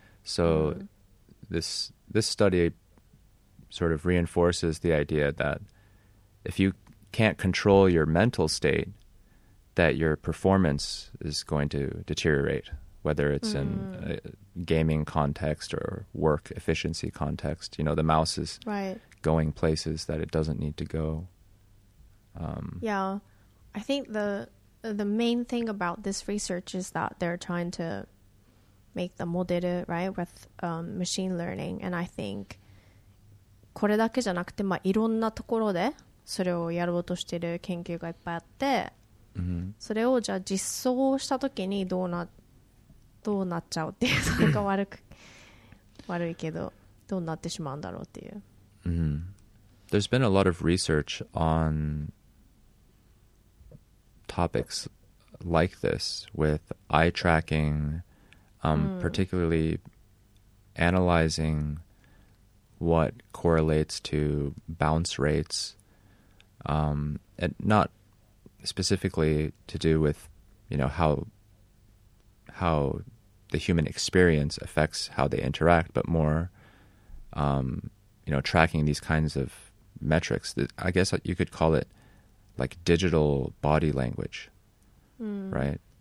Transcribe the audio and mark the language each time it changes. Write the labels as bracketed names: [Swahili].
[English] So this study sort of reinforces the idea that if you can't control your mental state, that your performance is going to deteriorate, whether it's in a gaming context or work efficiency context. You know, the mouse is going places that it doesn't need to go. I think the main thing about this research is that they're trying to make the model, right, with machine learning. And I think [Japanese] これだけじゃなくて、まあ、いろんなところでそれをやろうとしている研究がいっぱいあって、それをじゃあ実装したときにどうなっちゃうっていうのが悪いけどどうなってしまうんだろうっていう。 [English] There's been a lot of research on topics like this with eye tracking, particularly analyzing what correlates to bounce rates, and not specifically to do with, you know, how the human experience affects how they interact, but more, you know, tracking these kinds of metrics that I guess you could call it like digital body language, right?